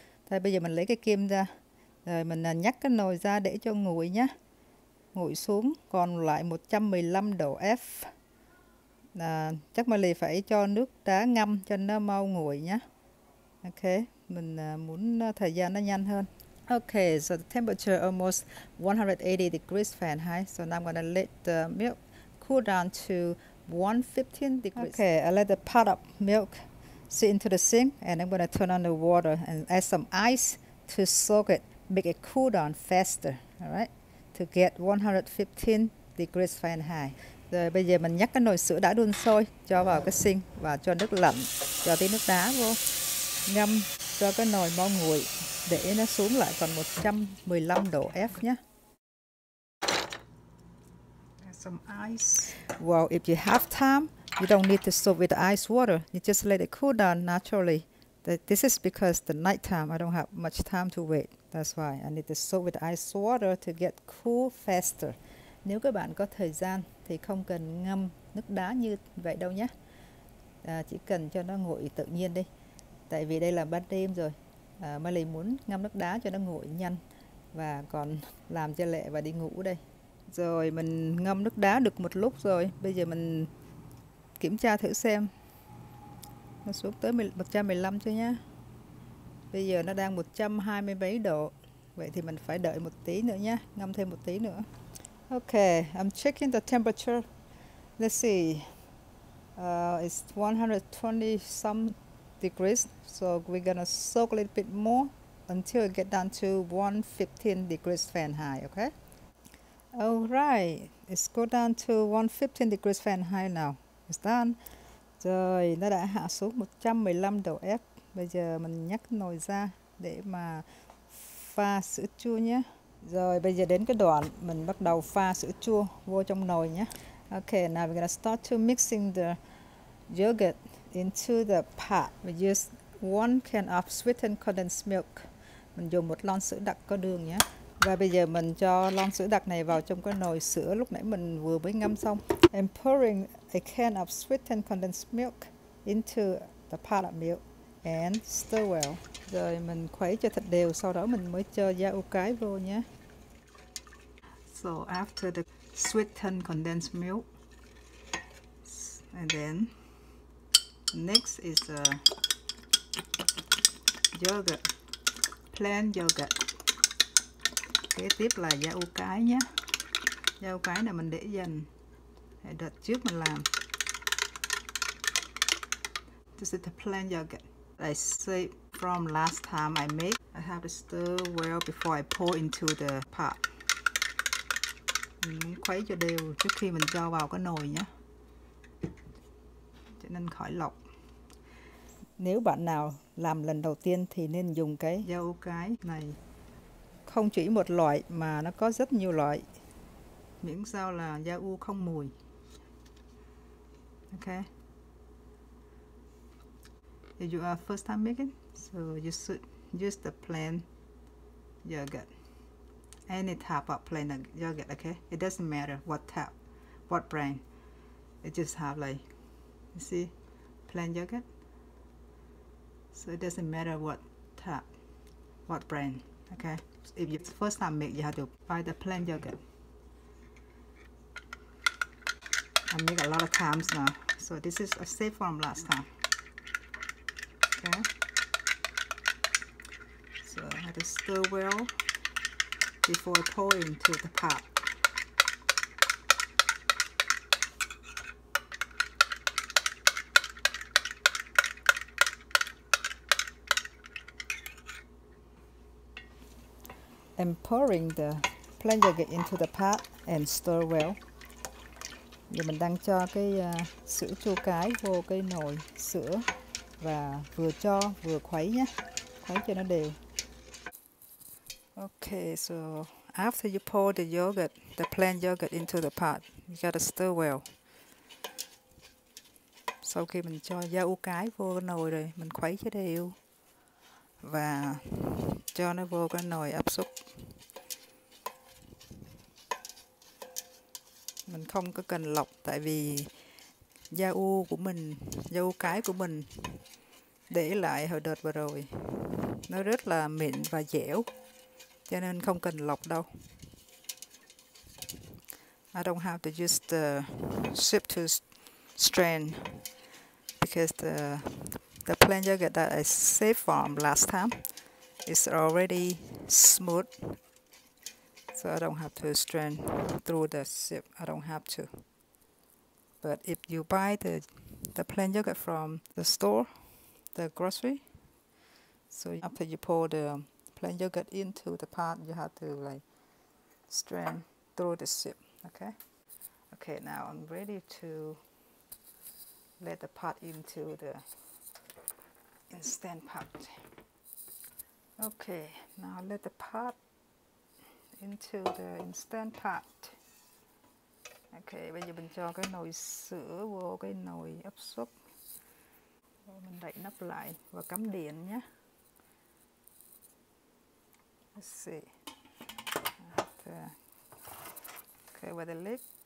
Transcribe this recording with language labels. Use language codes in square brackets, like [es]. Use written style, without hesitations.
[vi] Thôi bây giờ mình lấy cái kim ra. Rồi mình nhắc cái nồi ra để cho nguội nhé. Nguội xuống còn lại 115 độ F. Chắc mình lại phải cho nước đá ngâm cho nó mau nguội nhé. Ok, mình muốn thời gian nó nhanh hơn. [en] Ok, so the temperature almost 180 degrees Fahrenheit. So now I'm gonna let the milk cool down to 115 degrees. Okay, I let the pot of milk sit into the sink and I'm gonna turn on the water and add some ice to soak it, make it cool down faster, alright, to get 115 degrees Fahrenheit. Rồi bây giờ mình nhắc cái nồi sữa đã đun sôi cho vào cái sink và cho nước lạnh, cho tí nước đá vô, ngâm cho cái nồi mau nguội để nó xuống lại còn 115 độ F nhé. Some ice. Well, if you have time, you don't need to soak with the ice water. You just let it cool down naturally. This is because the night time, I don't have much time to wait. That's why I need to soak with ice water to get cool faster. [vi] Nếu các bạn có thời gian thì không cần ngâm nước đá như vậy đâu nhé. Chỉ cần cho nó nguội tự nhiên đi. Tại vì đây là ban đêm rồi. Miley muốn ngâm nước đá cho nó nguội nhanh và còn làm cho lẹ và đi ngủ đây. Rồi mình ngâm nước đá được một lúc rồi. Bây giờ mình kiểm tra thử xem. Nó xuống tới 115 chưa nhá. Bây giờ nó đang 120 mấy độ. Vậy thì mình phải đợi một tí nữa nhá. Ngâm thêm một tí nữa. [en] Ok, I'm checking the temperature. Let's see. It's 120 some degrees. So we're gonna soak a little bit more until it get down to 115 degrees Fahrenheit, okay? Alright, it's go down to 115 degrees Fahrenheit now. It's done. [vi] Rồi, nó đã hạ xuống 115 độ F. Bây giờ mình nhắc nồi ra để mà pha sữa chua nhé. Rồi, bây giờ đến cái đoạn mình bắt đầu pha sữa chua vô trong nồi nhé. [en] Okay, now we're gonna start to mixing the yogurt into the pot. We use One can of sweetened condensed milk. [vi] Mình dùng một lon sữa đặc có đường nhé. Và bây giờ mình cho lon sữa đặc này vào trong cái nồi sữa lúc nãy mình vừa mới ngâm xong. [en] I'm pouring a can of sweetened condensed milk into the pot of milk and stir well. [vi] Rồi mình khuấy cho thật đều, sau đó mình mới cho da ô cái vô nhé. [en] So after the sweetened condensed milk, and then next is yogurt, plain yogurt. [vi] Kế tiếp là da ô cái nhé. Da ô cái này mình để dành để đợt trước mình làm. This is the plain yogurt I saved from last time I made. I have to stir well before I pour into the pot. Mình khuấy cho đều trước khi mình cho vào cái nồi nhé, cho nên khỏi lọc. Nếu bạn nào làm lần đầu tiên thì nên dùng cái dâu cái này. Không chỉ một loại mà nó có rất nhiều loại. Miễn sao là da u không mùi. Ok. [en] If you are first time making, so you should use the plain yogurt. Any type of plain yogurt, okay? It doesn't matter what type, what brand. It just have like, you see, plain yogurt. So it doesn't matter what type, what brand, okay? If you first time make, you have to buy the plain yogurt. I make a lot of times now. So this is a safe form last time. Okay. So I have to stir well before I pour into the pot. I'm pouring the plain yogurt into the pot and stir well. [vi] Giờ mình đang cho cái sữa chua cái vô cái nồi sữa và vừa cho vừa khuấy nhé, khuấy cho nó đều. [en] Okay, so after you pour the yogurt, the plain yogurt into the pot, you gotta stir well. [vi] Sau khi mình cho da u cái vô cái nồi rồi, mình khuấy cho đều và cho nó vô cái nồi áp suất. Mình không có cần lọc tại vì da u của mình, da u cái của mình để lại hồi đợt vừa rồi, nó rất là mịn và dẻo, cho nên không cần lọc đâu. [en] I don't have to use the soup to strain because the plain yogurt that I saved from last time is already smooth. So I don't have to strain through the sieve. I don't have to. But if you buy the plain yogurt from the store, the grocery, so after you pour the plain yogurt into the pot, you have to like strain through the sieve. Okay? Okay, now I'm ready to let the pot into the instant pot. Okay, now let the pot into the instant pot. [vi] Okay, bây giờ mình cho cái nồi sữa vô cái nồi áp suất. Mình đậy nắp lại và cắm điện nhé. [en] Let's see. Okay, with the lid.